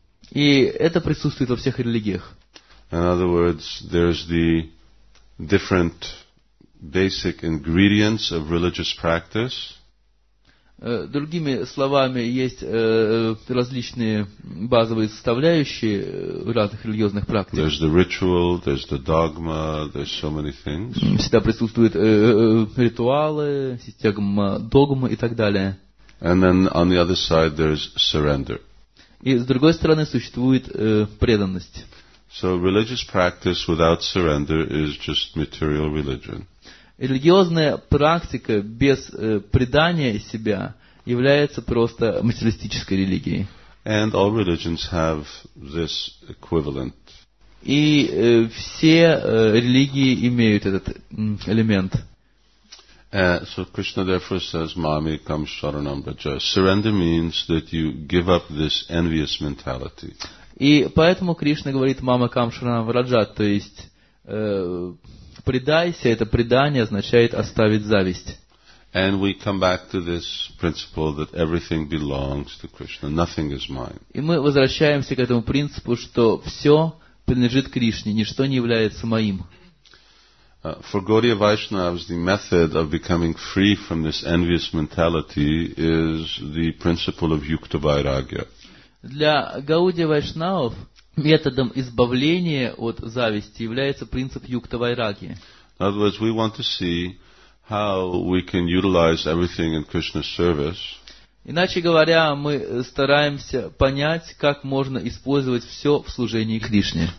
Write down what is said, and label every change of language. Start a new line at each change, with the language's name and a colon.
Russian: И это присутствует во всех религиях.
English: In other words, there's the different basic ingredients of religious practice.
Russian: Другими словами, есть различные базовые составляющие разных религиозных практик.
English: There's the ritual, there's the dogma, there's so many things.
Russian: Всегда присутствуют ритуалы, система догмы и так далее.
English: And then on the other side there's surrender.
Russian: И с другой стороны существует преданность.
English: So religious practice without surrender is just material religion.
Russian: Религиозная практика без предания себя является просто материалистической религией.
English: And all religions have this equivalent.
Russian: И все религии имеют этот элемент.
English: So Krishna therefore says,
Sanskrit: "Mami kam sharanam braja."
English: Surrender means that you give up this envious mentality.
Russian: И поэтому Кришна говорит,
Sanskrit: "Мама кам шаранам браджа",
Russian: то есть предайся, это предание означает оставить зависть.
English: And we come back to this principle that everything belongs to Krishna, nothing is mine.
Russian: И мы возвращаемся к этому принципу, что все принадлежит Кришне, ничто не является моим.
English: For Gaudiya Vaishnavas, the method of becoming free from this envious mentality is the principle of Yukta Vairagya.
Russian: Для Гаудия Вайшнавов методом избавления от зависти является принцип Юкта Вайраги.
English: In other words, we want to see how we can utilize everything in Krishna's service.
Russian: Иначе говоря, мы стараемся понять, как можно использовать все в служении Кришне.